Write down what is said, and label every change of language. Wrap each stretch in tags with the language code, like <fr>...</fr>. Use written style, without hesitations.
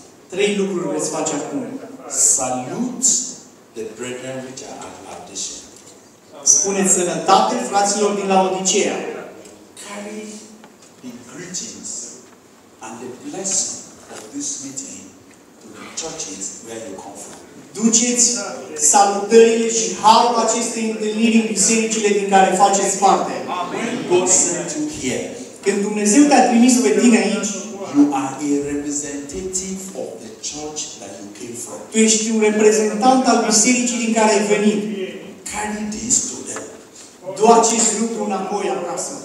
<ro>Trei lucruri veți face acum.</ro> <en>Salute the brethren which are at Laodicea.</en> <ro>Spuneți sănătate fraților din Laodicea.</ro> <en>Carry the greetings and the blessing of this meeting. Churches where you come from.</en> <ro>Duceți salutările și harul acestei întâlniri în bisericile din care faceți parte.</ro> <en>God sent you here.</en> <ro>Când Dumnezeu te-a trimis pe tine aici,</ro> <en>you are a representative of the church that you came from.</en> <ro>Tu ești un reprezentant al bisericii din care ai venit.</ro> <en>Carry this to them.</en> <ro>Du-a acest lucru înapoi acasă.</ro>